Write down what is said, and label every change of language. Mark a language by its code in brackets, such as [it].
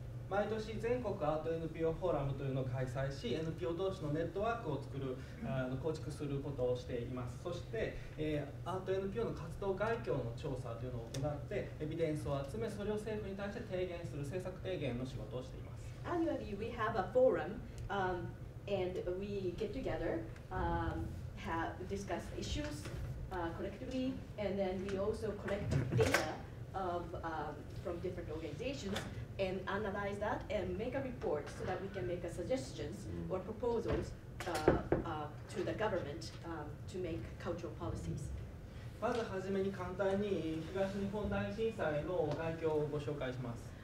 [ja] 毎年全国アート NPO フォーラムというのを開催し、 NPO 同士のネットワークを作る、構築することをしています。そして、アート NPO の活動概況の調査というのを行って、エビデンスを集め、それを政府に対して提言する政策提言の仕事をしています。 [en] Annually we have a forum and we get together have discuss issues collectively, and then we also collect data of from different organizationsand analyze that and make a report so that we can make a suggestions or proposals to the government to make cultural policies. [ja] まずはじめに簡単に東日本大震災の概況をご紹介します。